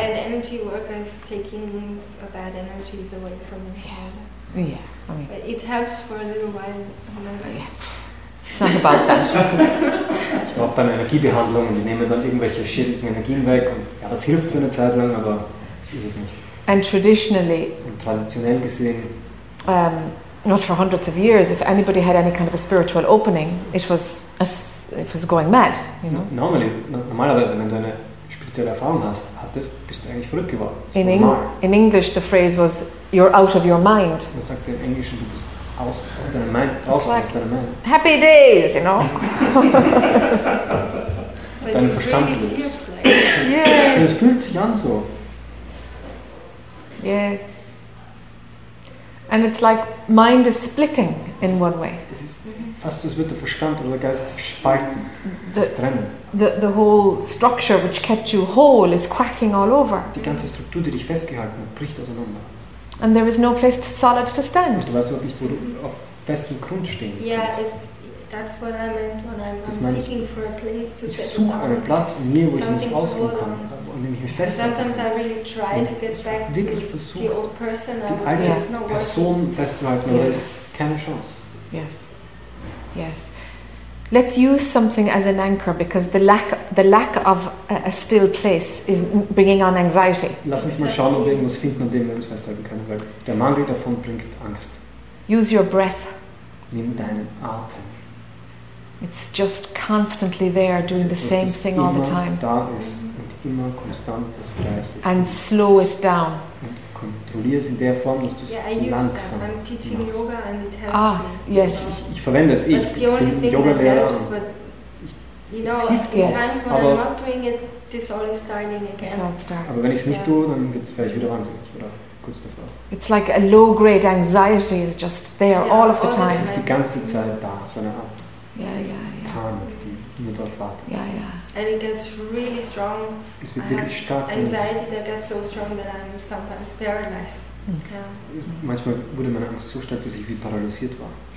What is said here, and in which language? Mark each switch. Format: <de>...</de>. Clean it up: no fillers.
<en>Bad energy workers taking bad energies away from me. Yeah. I mean, but it helps for a little while. It's not about that.</en> <de>Ich brauche dann Energiebehandlung und ich nehme dann irgendwelche schädlichen Energien weg und ja, das hilft für eine Zeit lang, aber es ist es nicht.</de> <en>And traditionally.</en> <de>Und traditionell gesehen.</de> <en>Not for hundreds of years. If anybody had any kind of a spiritual opening, it was going mad, you know.</en> <de>Normalerweise, wenn du eine spirituelle Erfahrung hattest, bist du eigentlich verrückt geworden.</de> <en>In English, the phrase was, you're out of your mind.</en> <de>Man sagt im Englischen, du bist aus deinem Mind, aus deinem Mind.</de> <en>Happy days, you know. But</en> <de>dein Verstand really los.</de> <en>Yeah.</en> <de>Es fühlt sich an so.</de> <en>Yes. And it's like mind is splitting in one way.</en> <de>Es ist fast, als würde der Verstand oder der Geist sich spalten, sich trennen.</de> <en>The whole structure which kept you whole is cracking all over.</en> <de>Die ganze Struktur, die dich festgehalten hat, bricht auseinander.</de> <en>And there is no place to solid to stand.</en> <de>Und du weißt auch nicht, wo du auf festem Grund stehen kannst.</de> <en>Yeah, that's what I meant when I'm seeking for a place to settle down.</en> <de>Ich suche einen Platz in mir, wo ich mich ausruhen kann, an dem ich mich festhalten kann.</de> <en>Sometimes I really try to get back to the old person.</en> <de>Die alte Person festzuhalten, aber es keine Chance.</de> <en>Yes. Yes. Let's use something as an anchor, because the lack of a still place is bringing on anxiety.</en> <de>Lass uns mal schauen, ob wir irgendwas finden, an dem wir uns festhalten können, weil der Mangel davon bringt Angst.</de> <en>Use your breath.</en> <de>Nimm deinen Atem.</de> <en>It's just constantly there, doing the same thing all the time.</en> <de>Da ist und immer konstant das Gleiche.</de> <en>And slow it down.</en> <de>Kontrolliere es in der Form, dass du es langsam machst.</de> <en>I'm teaching</en> <de>machst.</de> <en>Yoga and it helps ah, me. Yes.</en> <de>Ich verwende es. Ich bin Yoga-Lehrer. Es hilft mir. Aber wenn ich es nicht tue, dann wird es vielleicht wieder wahnsinnig. Oder kurz davor.</de> <en>It's like a low-grade anxiety is just there all of the time.</en> <de>Es ist die ganze Zeit da, so eine Art Panik, die nur darauf wartet.</de> <en>And it gets really strong.</en> <de>Es wird wirklich stark.</de> <en>Anxiety that gets so strong that I'm sometimes paralyzed. Mm. Yeah.</en> <de>Manchmal wurde meine Angst so stark, dass ich wie paralysiert war.</de>